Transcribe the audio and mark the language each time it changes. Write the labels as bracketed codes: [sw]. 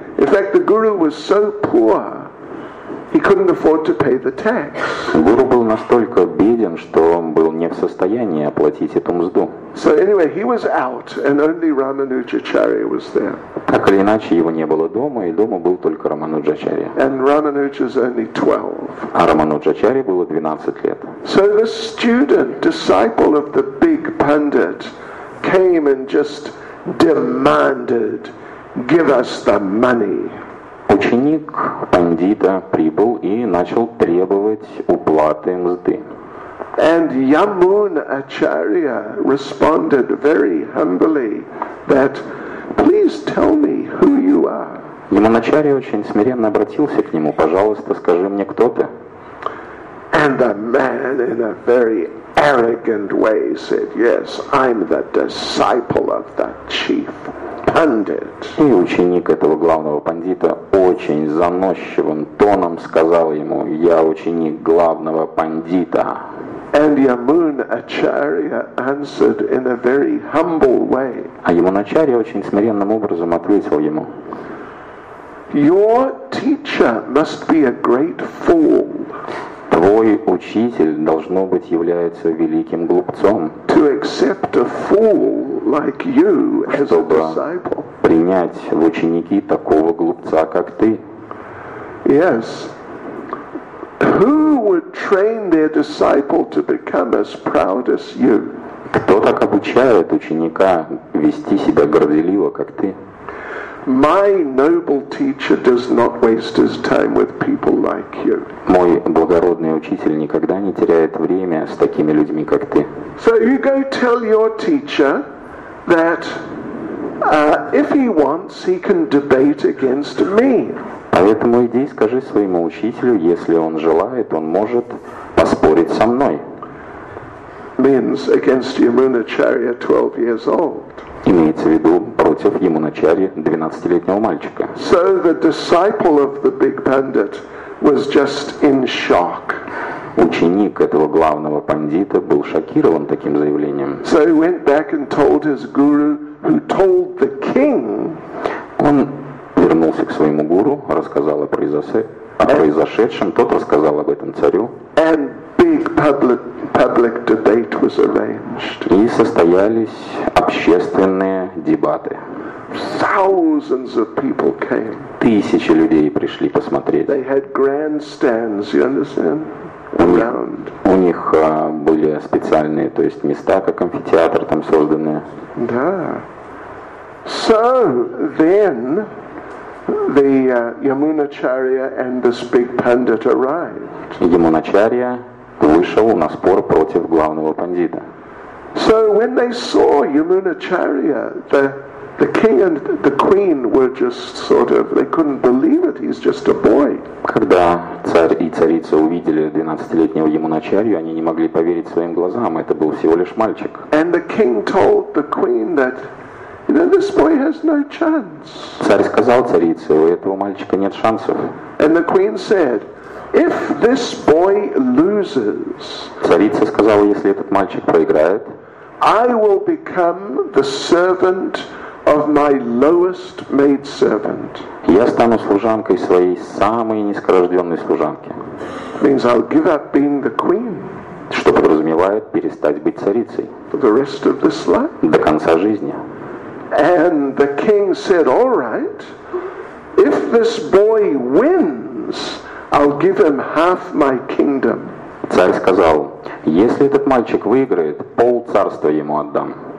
[en] In fact, the guru was so poor, he couldn't afford to pay the tax. [ru] Гуру был настолько беден, что он был не в состоянии оплатить эту мзду. [en] So anyway, he was out, and only Ramanujacharya was there. [ru] Так или иначе, его не было дома, и дома был только Рамануджачарья. [en] And Ramanuja is only 12. [ru] А Рамануджачарье было 12 лет. [en] So the student, disciple of the big pundit, came and just demanded, "Give us the money." [ru] Ученик пандита прибыл и начал требовать уплаты мзды. [en] And Yamuna Acharya responded very humbly that, "Please tell me who you are." [ru] Яманачарья очень смиренно обратился к нему: "Пожалуйста, скажи мне, кто ты?" [en] And the man, in a very arrogant way, said, "Yes, I'm the disciple of the chief pundit." [ru] И ученик этого главного пандита очень заносчивым тоном сказал ему: "Я ученик главного пандита." [en] And Yamuna Acharya answered in a very humble way. [ru] А Яманачарья очень смиренным образом ответил ему: [en] "Your teacher must be a great fool." [ru] Твой учитель, должно быть, является великим глупцом. [en] To accept a fool like you as a disciple. [ru] Принять в ученики такого глупца, как ты. [en] Yes. Who would train their disciple to become as proud as you? [ru] Кто так обучает ученика вести себя горделиво, как ты? [en] My noble teacher does not waste his time with people like you. [ru] Мой благородный учитель никогда не теряет время с такими людьми, как ты. [en] So you go tell your teacher that if he wants, he can debate against me. [ru] Поэтому иди и скажи своему учителю, если он желает, он может поспорить со мной. [en] Means against Yamunacharya, 12 years old. [ru] Имеется в виду против Яманачарьи, 12-летнего мальчика. [en] So the disciple of the big pundit was just in shock. [ru] Ученик этого главного пандита был шокирован таким заявлением. [en] So he went back and told his guru, who told the king. [ru] Он вернулся к своему гуру, рассказал о произошедшем, тот рассказал об этом царю. [en] And big public debate was arranged. [ru] И состоялись общественные дебаты. [en] Thousands of people came. [ru] Тысячи людей пришли посмотреть. [en] They had grandstands, you understand? Around. [ru] У них были специальные, то есть места, как амфитеатр там созданные. Да. [en] So then the Yamunacharya and this big pundit arrived. [ru] Яманачарья вышел на спор против главного пандита. [en] So when they saw Yamunacharya, the king and the queen were just sort of, they couldn't believe it, he's just a boy. [ru] Когда царь и царица увидели 12-летнего Яманачарью, они не могли поверить своим глазам, это был всего лишь мальчик. [en] And the king told the queen that, you know, this boy has no chance. [ru] Царь сказал царице: "У этого мальчика нет шансов." [en] And the queen said, "If this boy loses," [ru] царица сказала, "если этот мальчик проиграет, [en] I will become the servant of my lowest maid servant." [ru] Я стану служанкой своей самой низкорожденной служанки. [en] Means I'll give up being the queen. [ru] Что подразумевает перестать быть царицей. [en] For the rest of this life. [ru] До конца жизни. [en] And the king said, "All right, if this boy wins, I'll give him half my kingdom." [ru] Царь сказал: "Если этот мальчик выиграет, пол царства ему отдам."